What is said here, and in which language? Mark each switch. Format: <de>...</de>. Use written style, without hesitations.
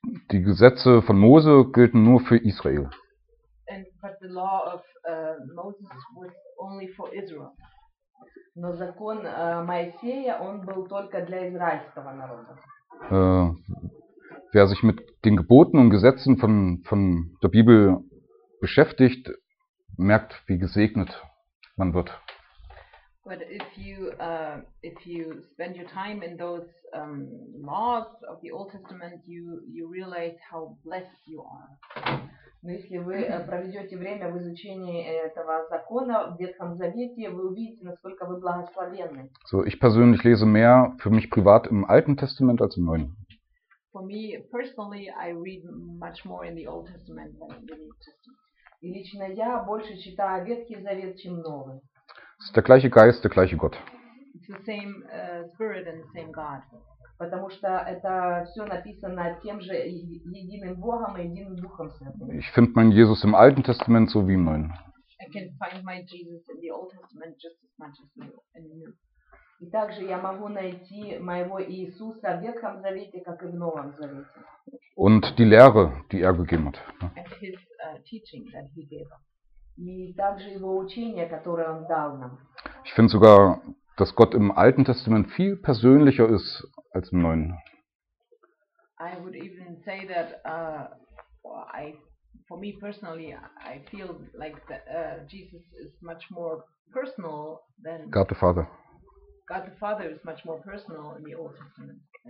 <de>Die Gesetze von Mose gelten nur für Israel.</de> <en>But the law of Moses was only for Israel.</en> <ru>Но закон Моисея, он был только для израильского народа.</ru> <de>Wer sich mit den Geboten und Gesetzen von der Bibel beschäftigt, merkt, wie gesegnet man wird.</de> <en>But if you spend your time in those laws of the Old Testament, you realize how blessed you are.</en> <ru>Но если вы проведете время в изучении этого закона в Ветхом Завете, вы увидите, насколько вы благословенны.</ru> <de>So, ich persönlich lese mehr für mich privat im Alten Testament als im Neuen.</de> <en>For me personally, I read much more in the Old Testament than in the New Testament.</en> <ru>И лично я больше читаю Ветхий Завет, чем Новый.</ru> <de>Es ist der gleiche Geist, der gleiche Gott.</de> <en>It's the same spirit and the same God.</en> <ru>Потому что это все написано тем же единым Богом и единым Духом Святым.</ru> <de>Ich finde meinen Jesus im Alten Testament so wie im Neuen.</de> <en>I can find my Jesus in the Old Testament just as much as in the New.</en> <ru>И также я могу найти моего Иисуса в Ветхом Завете, как и в Новом Завете.</ru> <de>Und die Lehre, die gegeben hat.</de> <en>And his teaching that he gave us.</en> <ru>И также его учение, которое он дал нам.</ru> <de>Ich finde sogar, dass Gott im Alten Testament viel persönlicher ist als im Neuen.</de> <en>I would even say that for me personally I feel like that, Jesus is much more personal than God the Father. God the Father is much more personal in the Old Testament.</en>